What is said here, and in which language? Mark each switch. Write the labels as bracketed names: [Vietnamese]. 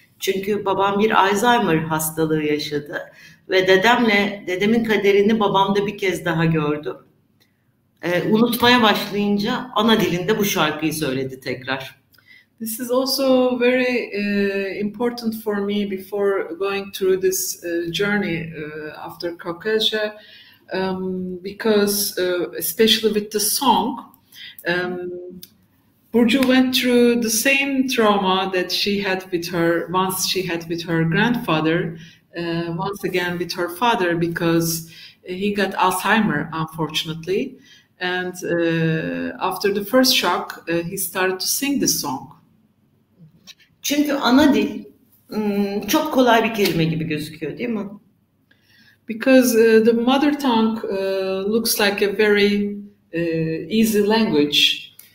[Turkish] Çünkü babam bir Alzheimer hastalığı yaşadı. Ve dedemin kaderini babamda bir kez daha gördüm. Unutmaya başlayınca ana dilinde bu şarkıyı söyledi tekrar. [English] This is also very important for me before going through this journey after Caucasia. Because especially with the song, Burcu went through the same trauma that she had with her, once she had with her grandfather. Once again with her father, because he got Alzheimer, unfortunately. And after the first shock, he started to sing the song. [Turkish] Çünkü ana dil çok kolay bir kelime gibi gözüküyor, değil mi? [English] Because the mother tongue looks like a very easy language.